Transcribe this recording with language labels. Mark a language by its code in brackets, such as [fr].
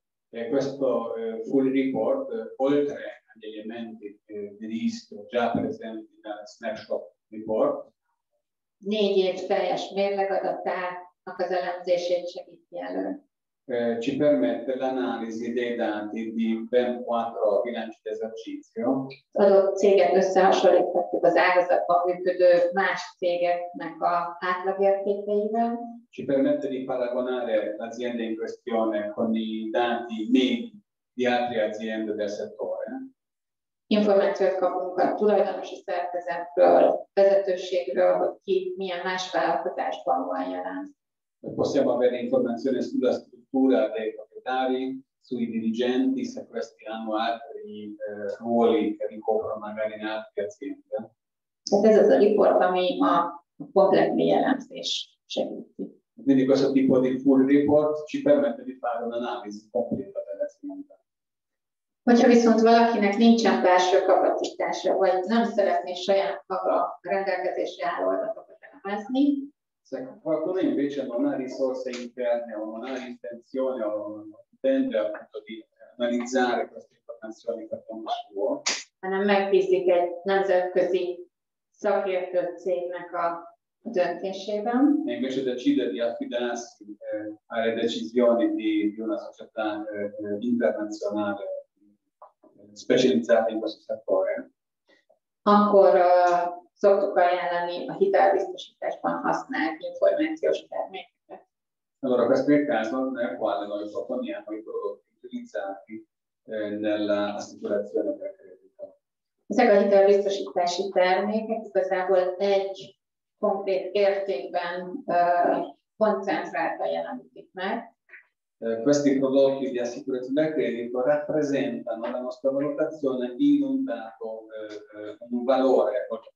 [it] E questo full report, oltre agli elementi di rischio già presenti nel snapshot report, [hu] 4 év teljes mérlegadatának az elemzését segíti elő. [it] Ci permette l'analisi dei dati di ben 4 bilanci d'esercizio. [hu] Az adott céget összehasonlíthatjuk az ágazatban működő más cégeknek a átlagértékeivel. [it] Ci permette di paragonare l'azienda in questione con i dati medi di altre aziende del settore. [hu] Információt kapunk a tulajdonosi szerkezetről, vezetőségről, hogy ki milyen más vállalkozásban van jelen. [it] Possiamo avere informazioni sulla struttura dei proprietari, sui dirigenti, se questi hanno altri ruoli che ricoprono magari in altre aziende. [hu] Ez az a riport, ami a komplet mélyelemzés segíti. [it] Quindi questo tipo di full report ci permette di fare un'analisi completa dell'azienda. [hu] Hogyha viszont valakinek nincsen belső kapacitása, vagy nem szeretné saját maga rendelkezésre álló adatokat elemezni. [it] Se qualcuno invece non ha risorse interne o non ha intenzione o non intende appunto di analizzare queste informazioni per conto suo, [hu] hanem megbízik egy nemzetközi szakértő cégnek a döntésében. [it] E invece decide di affidarsi alle decisioni di una società internazionale specializzata in questo settore. [hu] Akkor szoktuk ajánlani a hitelbiztosításban használt információs terméket. [it] Allora, questo è il caso nel quale noi proponiamo i prodotti utilizzati nella assicurazione per credito. [hu] Ezek a hitelbiztosítási termékek igazából egy konkrét értékben koncentrálta jelenítik meg. [it] Questi prodotti di assicurazione credito rappresentano la nostra valutazione di un dato, un valore.